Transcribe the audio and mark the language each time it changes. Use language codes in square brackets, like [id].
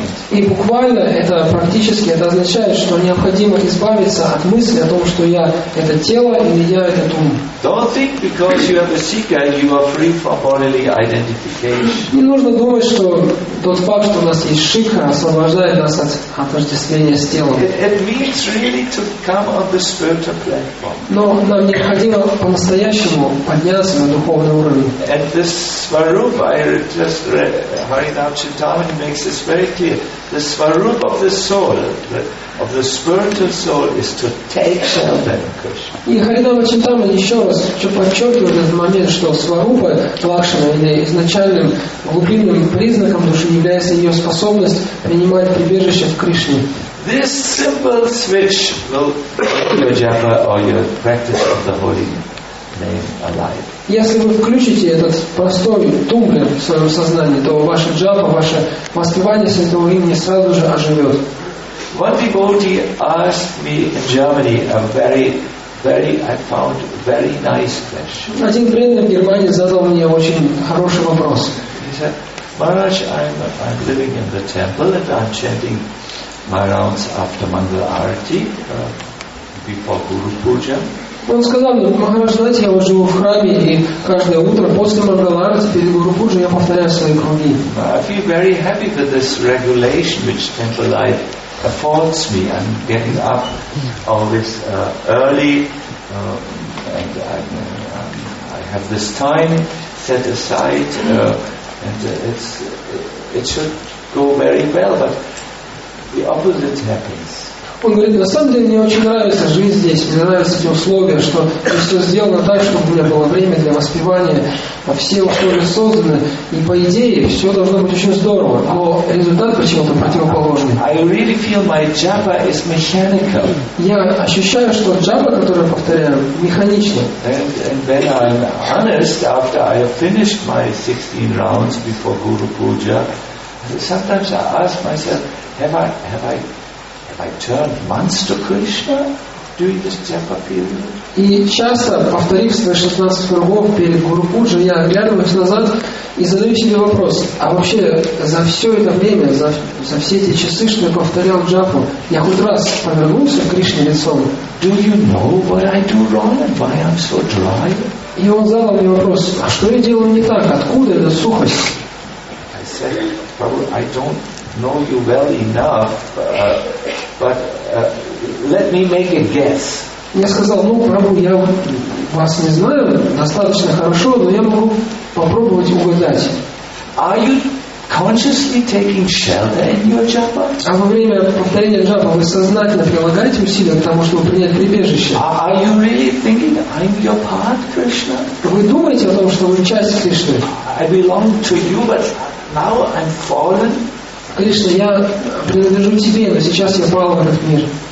[ru] И буквально это практически это означает, что необходимо избавиться от мысли о том, что я это тело или я этот ум. [en] Don't think because you are the seeker, you are free from bodily identification. [ru] Не нужно думать, что тот факт, что у нас есть шикха, освобождает нас от отождествления с телом. [en] It means really to come on the spiritual platform. [ru] Но нам необходимо по-настоящему подняться на духовный уровень. [en] And this svarupa, I just read, Harinath Chintamani makes this very clear. The svarupa of the soul, of the spiritual soul, is to take shelter in Krishna. [ru] И Харинава Чинтамани еще раз подчеркивает этот момент, что сварупа лакшана или изначальным глубинным признаком души является ее способность принимать прибежище в Кришне. [en] This simple switch will make your japa or your practice of the holy name alive. [ru] Если вы включите этот простой тумблер в своем сознании, то ваша джапа, ваше воспевание святого имени сразу же оживет. [en] One devotee asked me in Germany a very nice question. [ru] Один преданный в Германии задал мне очень хороший вопрос. [en] He said, Maharaj, I'm living in the temple and I'm chanting my rounds after Mangala Arati before Guru Puja. [ru] Он сказал мне, Махарадж, знаете, я вот живу в храме и каждое утро после Мангала Арати перед Гуру Пуджа я повторяю свои круги. [en] I feel very happy with this regulation which temple life affords me. I'm getting up always early and I have this time set aside and it should go very well, but the opposite happens. [ru] Он говорит, на самом деле мне очень нравится жизнь здесь, мне нравятся эти условия, что все сделано так, чтобы у меня было время для воспевания, а все условия созданы, и по идее все должно быть очень здорово, но результат почему-то противоположный. [en] I really feel my japa is mechanical. [ru] Я ощущаю, что джапа, которую я повторяю, механична. [en] And when I'm honest, after I have finished my 16 rounds before Guru Puja, sometimes I ask myself, have I turned months to Krishna during this japa period? [ru] И часто, повторив свои 16 кругов перед Гуру Пуджа, я оглядываюсь назад и задаю себе вопрос, а вообще за все это время, за все эти часы, что я повторял джапу, я хоть раз повернулся к Кришне лицом? [en] Do you know what I do wrong and why I'm so dry? [ru] И он задал мне вопрос, а что я делаю не так, откуда эта сухость? [en] I said, probably I don't know you well enough, but let me make a guess. [ru] Я сказал, ну, Прабху, я вас не знаю достаточно хорошо, но я могу попробовать угадать. [en] Are you consciously taking shelter in your japa? [ru] А во время повторения джапа вы сознательно прилагаете усилия к тому, чтобы принять прибежище? [en] Are you really thinking I'm your part, Krishna? [ru] Вы думаете о том, что вы часть Кришны? [en] I belong to you, but now I'm fallen. [ru] Кришна, я принадлежу тебе, но сейчас я пал в этот мир.